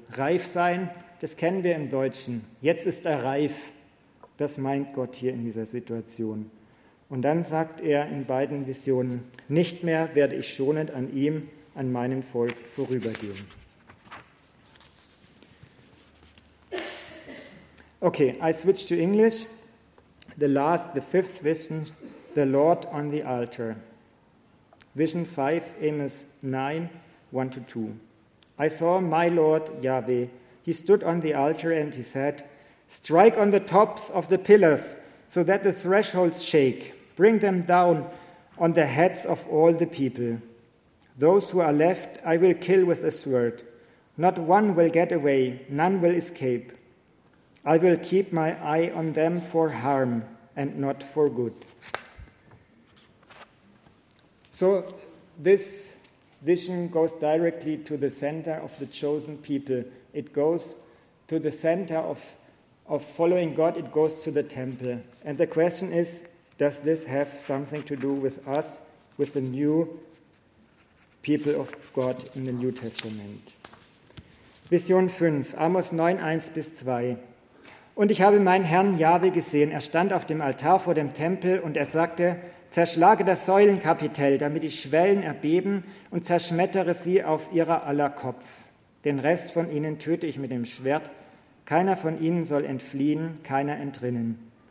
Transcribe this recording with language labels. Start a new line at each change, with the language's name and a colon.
German: Reif sein, das kennen wir im Deutschen. Jetzt ist er reif, das meint Gott hier in dieser Situation. Und dann sagt er in beiden Visionen, nicht mehr werde ich schonend an ihm, an meinem Volk vorübergehen.
English: Okay, I switch to English. The fifth vision, the Lord on the altar. Vision 5, Amos 9, 1-2. I saw my Lord Yahweh. He stood on the altar and he said, strike on the tops of the pillars so that the thresholds shake. Bring them down on the heads of all the people. Those who are left I will kill with a sword. Not one will get away, none will escape. I will keep my eye on them for harm and not for good. So this vision goes directly to the center of the chosen people. It goes to the center of following God. It goes to the temple. And the question is, does this have something to do with us, with the new people of God in the New Testament? Vision 5, Amos 9:1-2.
German: Und ich habe meinen Herrn Jahwe gesehen. Er stand auf dem Altar vor dem Tempel und er sagte, zerschlage das Säulenkapitell, damit die Schwellen erbeben und zerschmettere sie auf ihrer aller Kopf. Den Rest von ihnen töte ich mit dem Schwert. Keiner von ihnen soll entfliehen, keiner entrinnen.